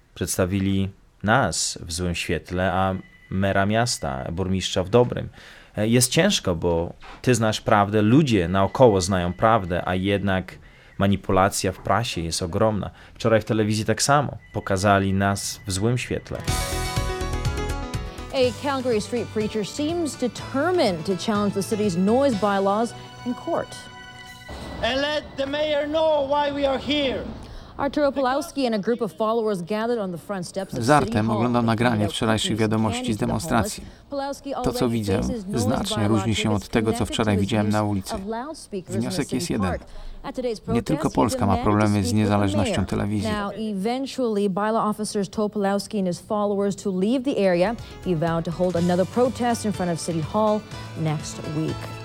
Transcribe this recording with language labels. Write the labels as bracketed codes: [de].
[pl] Przedstawili nas w złym świetle, a mera miasta, burmistrza w dobrym. Jest ciężko, bo ty znasz prawdę, ludzie naokoło znają prawdę, a jednak manipulacja w prasie jest ogromna. Wczoraj w telewizji tak samo. Pokazali nas w złym świetle. [en] A Calgary street preacher seems determined to challenge the city's noise bylaws in court. And let the mayor know why we are here. Arturo Pulowski and a group of followers gathered on the front steps of City Hall. [pl] Żartem oglądam nagranie wczorajszych wiadomości z demonstracji. To, co widzę, znacznie różni się od tego, co wczoraj widziałem na ulicy. Wniosek jest jeden. Nie tylko Polska ma problemy z niezależnością telewizji. [en] Now, eventually, bylaw officers told Pulowski and his followers to leave the area. He vowed to hold another protest in front of City Hall next week.